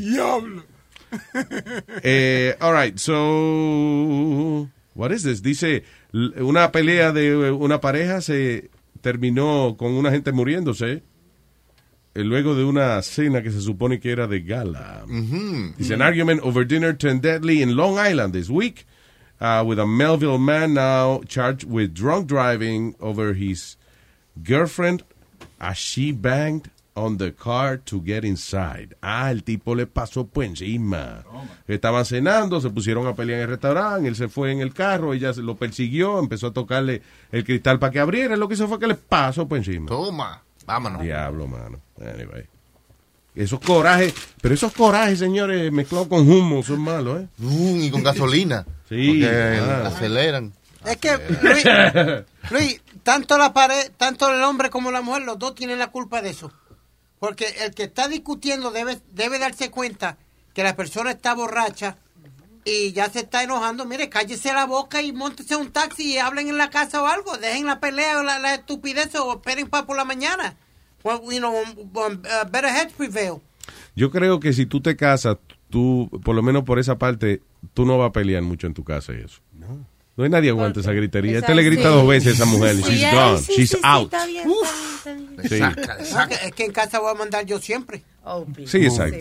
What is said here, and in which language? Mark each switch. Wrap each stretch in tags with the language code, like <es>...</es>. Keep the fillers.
<es>Diablo.</es> <en>Eh, right, so... What is this?</en> <es>Dice, una pelea de una pareja se terminó con una gente muriéndose y luego de una cena que se supone que era de gala. Es mm -hmm. un mm -hmm.</es> <en>an argument over dinner turned deadly in Long Island this week uh, with a Melville man now charged with drunk driving over his girlfriend as she banged on the car to get inside.</en> <es>Ah, el tipo le pasó por encima. Toma. Estaban cenando, se pusieron a pelear en el restaurante, él se fue en el carro, ella se lo persiguió, empezó a tocarle el cristal para que abriera, lo que hizo fue que le pasó por encima. Toma, vámonos. Diablo, mano.</es> <en>Anyway.</en> <es>Esos corajes, pero esos corajes, señores, mezclados con humo, son malos, ¿eh? Uh, y con gasolina. sí. Porque claro. aceleran. Es que, Luis, Luis, tanto la pared, tanto el hombre como la mujer, los dos tienen la culpa de eso. Porque el que está discutiendo debe, debe darse cuenta que la persona está borracha y ya se está enojando. Mire, cállese la boca y montese un taxi y hablen en la casa o algo. Dejen la pelea o la, la estupidez o esperen para por la mañana.</es> <en>Well, you know, well, a better heads prevail.</en> <es>Yo creo que si tú te casas, tú, por lo menos por esa parte, tú no vas a pelear mucho en tu casa y eso. No hay nadie aguante esa gritería. Exacto. Este le grita sí. dos veces a esa mujer. Sí,</es> <en>She's gone. She's out.</en> <es>Es que en casa voy a mandar yo siempre. Oh, sí, exacto.</es>